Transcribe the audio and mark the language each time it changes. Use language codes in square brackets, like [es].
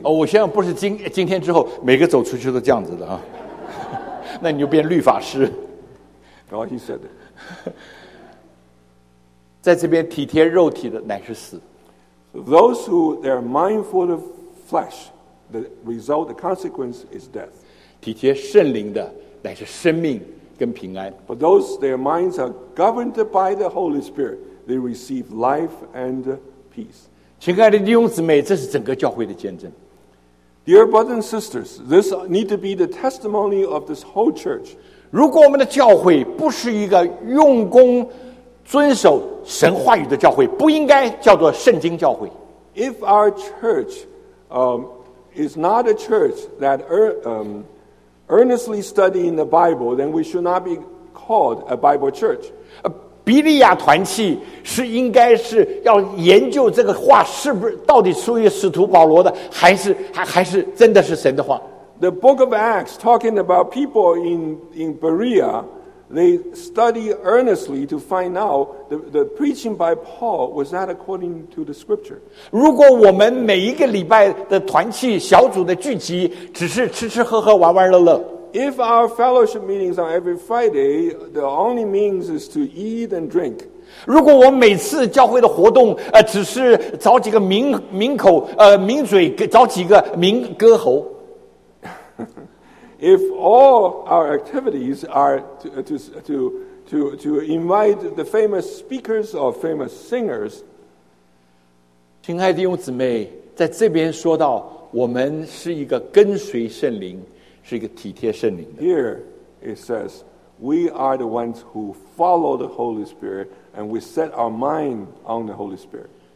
[zh] 我现在不是今天之后每个走出去都这样子的啊，那你就变律法师。 [en] Oh, he said it. [zh] 在这边体贴肉体的乃是死。 [en] Those who they are mindful of flesh, the result, the consequence is death. [zh] 体贴圣灵的乃是生命跟平安。 [en] But those their minds are governed by the Holy Spirit, they receive life and peace. [zh] 亲爱的弟兄姊妹，这是整个教会的见证。 [en] Dear brothers and sisters, this need to be the testimony of this whole church. [zh] 如果我们的教会不是一个用功遵守神话语的教会，不应该叫做圣经教会。 [en] If our church, is not a church that earnestly studying the Bible, then we should not be called a Bible church. [zh] 比利亚团契是应该是要研究这个话是不是到底出于使徒保罗的，还是真的是神的话。 [en] The Book of Acts talking about people in Berea, they study earnestly to find out the preaching by Paul was that according to the Scripture. [zh] 如果我们每一个礼拜的团契小组的聚集只是吃吃喝喝玩玩乐乐。 [en] If our fellowship meetings are every Friday, the only means is to eat and drink. [zh] 如果我每次教会的活动，只是找几个抿嘴，找几个抿歌喉。 [en] If all our activities are to invite the famous speakers or famous singers, [zh] 亲爱的弟兄姊妹，在这边说到，我们是一个跟随圣灵。是一个体贴圣灵的。 [en] Here it says, We are the ones who follow the Holy Spirit and we set our mind on the Holy Spirit.